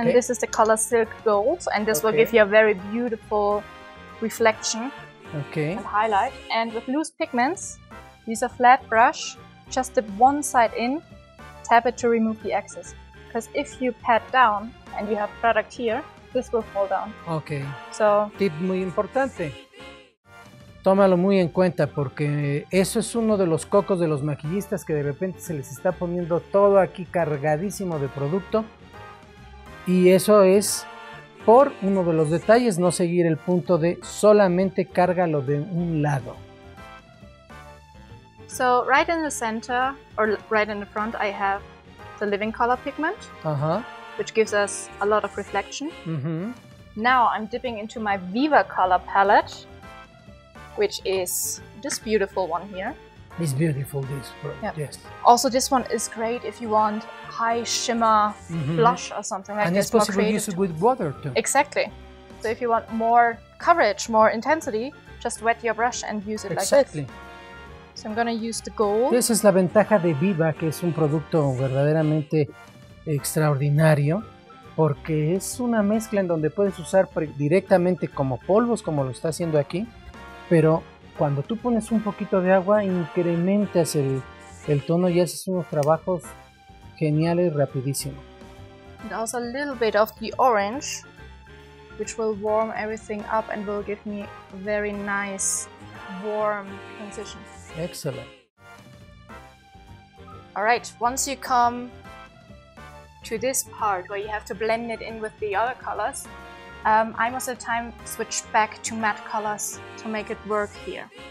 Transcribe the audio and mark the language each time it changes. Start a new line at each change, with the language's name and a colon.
English: And this is the color Silk Gold, and this will give you a very beautiful reflection and highlight. And with loose pigments, use a flat brush, just dip one side in, tap it to remove the excess. Because if you pat down and you have product here, this will fall down. Okay. So
Spanish: tip muy importante. Tómalo muy en cuenta porque eso es uno de los cocos de los maquillistas, que de repente se les está poniendo todo aquí cargadísimo de producto. Y eso es por uno de los detalles, no seguir el punto de solamente cárgalo de un lado.
English: So right in the center, or right in the front, I have the living color pigment, which gives us a lot of reflection. Mm-hmm. Now I'm dipping into my Viva color palette, which is this beautiful one here. It's beautiful, this one, yes. Also, this one is great if you want high shimmer blush or something like and this. And it's possible to use it with water too. Exactly. So if you want more coverage, more intensity, just wet your brush and use it like this. Exactly. So I'm going to use the gold. This is
Spanish: la ventaja de Viva, que es un producto verdaderamente extraordinario, porque es una mezcla en donde puedes usar directamente como polvos, como lo está haciendo aquí. Pero cuando tú pones un poquito de agua, incrementas el tono y haces unos trabajos geniales rapidísimo.
English: And also a little bit of the orange, which will warm everything up and will give me a very nice warm transition. Excellent. All right, once you come to this part where you have to blend it in with the other colors, I most of the time switch back to matte colors to make it work here.